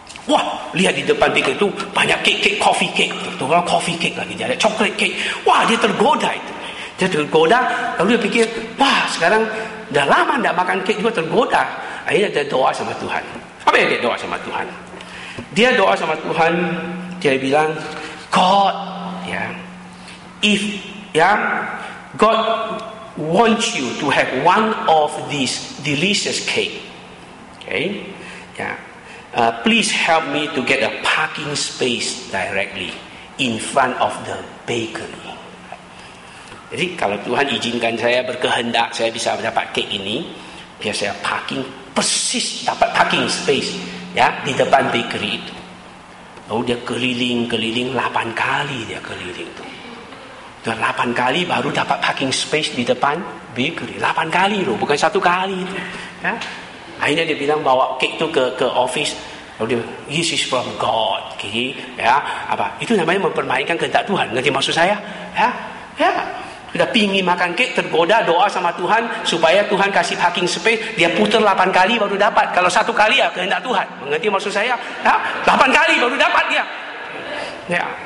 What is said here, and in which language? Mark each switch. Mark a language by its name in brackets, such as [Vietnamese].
[Indonesian] Wah, lihat di depan bakery itu banyak cake-cake, coffee cake. Terutama coffee cake lagi, ada chocolate cake. Wah, dia tergoda itu. Dia tergoda, lalu dia pikir, wah, sekarang dah lama enggak makan cake juga tergoda. Akhirnya dia doa sama Tuhan. Apa yang dia doa sama Tuhan? Dia doa sama Tuhan, dia bilang, [English] God, ya, if, ya, God wants you to have one of these delicious cake, okay, ya, please help me to get a parking space directly in front of the bakery. [Indonesian] Jadi kalau Tuhan izinkan saya berkehendak, saya bisa dapat cake ini, biar saya parking persis, dapat parking space, ya, di depan bakery itu. Lalu dia keliling-keliling, 8 kali dia keliling itu. Dan 8 kali baru dapat parking space di depan bakery. 8 kali loh, bukan 1 kali itu. Ya. Akhirnya dia bilang bawa cake itu ke office. Lalu dia, [English] this is from God. [Indonesian] Okay. Ya, apa? Itu namanya mempermainkan kehendak Tuhan. Ngerti maksud saya? Ya, ya. Sudah pingin makan cake, tergoda, doa sama Tuhan supaya Tuhan kasih parking space, dia putar 8 kali baru dapat. Kalau 1 kali ya kehendak Tuhan. Mengerti maksud saya? Ya, 8 kali baru dapat dia. Ya.